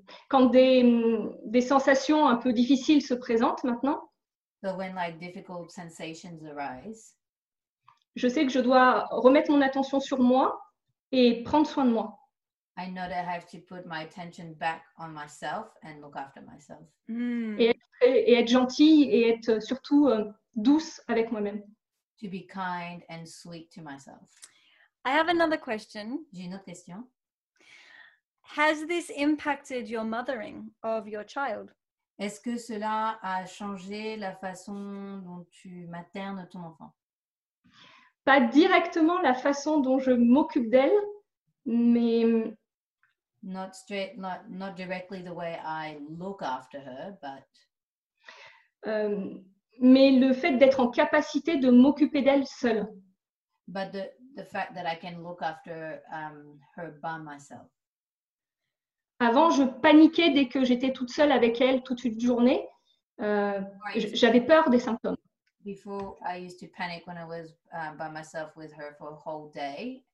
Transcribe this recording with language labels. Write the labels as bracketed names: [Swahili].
[French] Quand des sensations un peu difficiles se présentent maintenant. [English] So when like difficult sensations arise. [French] Je sais que je dois remettre mon attention sur moi et prendre soin de moi. [English] I know that I have to put my attention back on myself and look after myself. [French] Et être gentille et être surtout douce avec moi-même. [English] To be kind and sweet to myself. I have another question. [French] J'ai une autre question. [English] Has this impacted your mothering of your child? [French] Est-ce que cela a changé la façon dont tu maternes ton enfant? Pas directement la façon dont je m'occupe d'elle, mais [English] not directly the way I look after her, but [French] mais le fait d'être en capacité de m'occuper d'elle seule. [English] But the fact that I can look after her by myself. [French] Avant, je paniquais dès que j'étais toute seule avec elle toute une journée. J'avais peur des symptômes. [English] Before, I used to panic when I was by myself with her for a whole day.